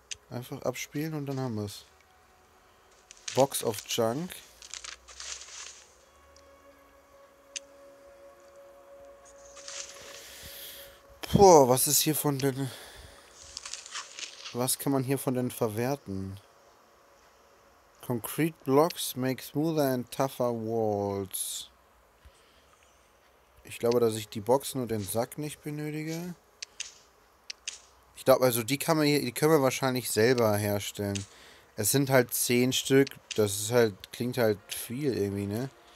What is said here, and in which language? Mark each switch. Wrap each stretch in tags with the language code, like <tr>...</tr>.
<de>Einfach abspielen und dann haben wir es. Box of Junk. Boah, was ist hier von den... Was kann man hier von den verwerten?</de> <en>Concrete Blocks make smoother and tougher walls.</en> <de>Ich glaube, dass ich die Boxen und den Sack nicht benötige. Ich glaube, also die kann man hier, die können wir wahrscheinlich selber herstellen. Es sind halt 10 Stück. Das ist halt, klingt halt viel irgendwie, ne?</de>